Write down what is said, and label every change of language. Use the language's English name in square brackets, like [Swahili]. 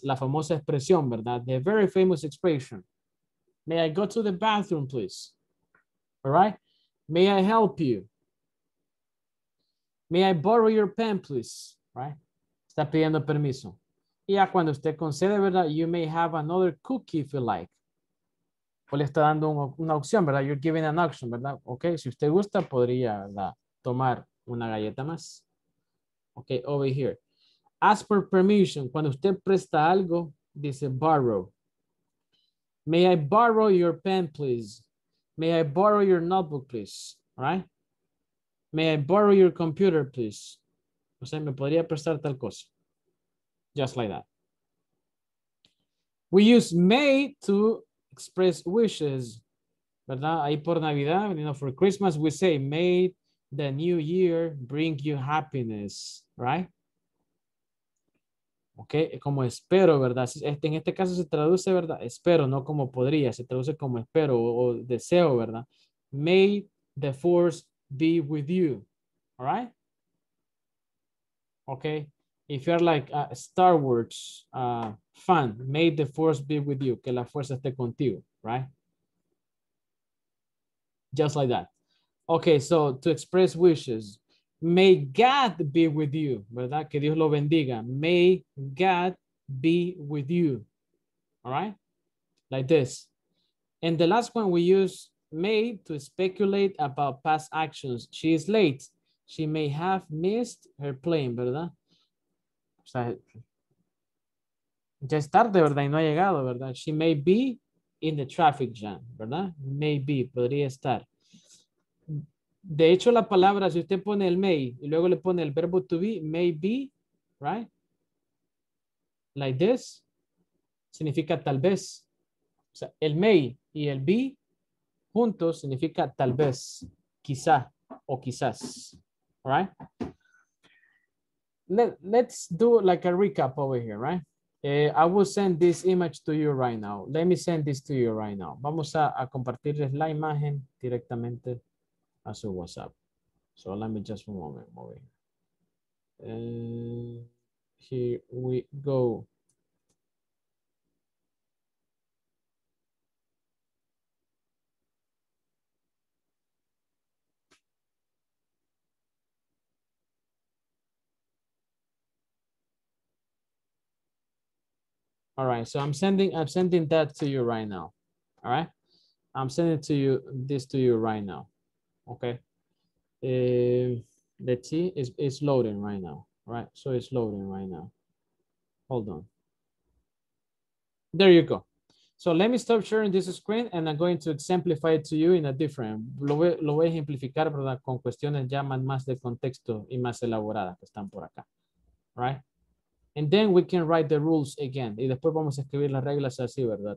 [Spanish] La famosa expresión, ¿verdad? [English] The very famous expression. May I go to the bathroom, please? All right? May I help you? May I borrow your pen, please? Right? [Spanish] Está pidiendo permiso. Y ya cuando usted concede, ¿verdad? [English] You may have another cookie if you like. [Spanish] O le está dando una opción, ¿verdad? [English] You're giving an option, [Spanish] ¿verdad? Ok, si usted gusta, podría, ¿verdad?, tomar una galleta más. [English] Ok, over here. Ask for permission. [Spanish] Cuando usted presta algo, dice [English] borrow. May I borrow your pen, please? May I borrow your notebook, please? Right? May I borrow your computer, please? [Spanish] O sea, me podría prestar tal cosa. [English] Just like that. We use may to express wishes, ¿verdad? [Spanish] Ahí por Navidad, [English] you know, for Christmas, we say, may the new year bring you happiness, right? [Spanish] Ok, como espero, ¿verdad? Este, en este caso se traduce, ¿verdad? Espero, no como podría, se traduce como espero o deseo, ¿verdad? [English] May the force be with you, all right? Ok, if you're like a Star Wars fan, may the force be with you, [Spanish] que la fuerza esté contigo, [English] right? Just like that. Okay, so to express wishes, may God be with you, ¿verdad? [Spanish] Que Dios lo bendiga. [English] May God be with you, all right? Like this. And the last one, we use may to speculate about past actions. She is late. She may have missed her plane, ¿verdad? [Spanish] O sea, ya es tarde, ¿verdad? Y no ha llegado, ¿verdad? [English] She may be in the traffic jam, ¿verdad? Maybe, [Spanish] podría estar. De hecho, la palabra, si usted pone el may y luego le pone el verbo to be, maybe, right? [English] Like this, [Spanish] significa tal vez. O sea, el may y el be juntos significa tal vez, quizá o quizás, right? [English] Let's do like a recap over here, right? I will send this image to you right now. Let me send this to you right now. [Spanish] Vamos a compartirles la imagen directamente a su WhatsApp. [English] So let me just a moment move here. Here we go. All right, so I'm sending that to you right now. All right, I'm sending it to you, this to you right now. Okay, let's see, it's loading right now. All right, so it's loading right now. Hold on. There you go. So let me stop sharing this screen and I'm going to exemplify it to you in a different. [Spanish] Lo voy a ejemplificar, ¿verdad? Con cuestiones ya más de contexto y más elaboradas que están por acá. [English] Right. And then we can write the rules again. [Spanish] Y después vamos a escribir las reglas así, ¿verdad?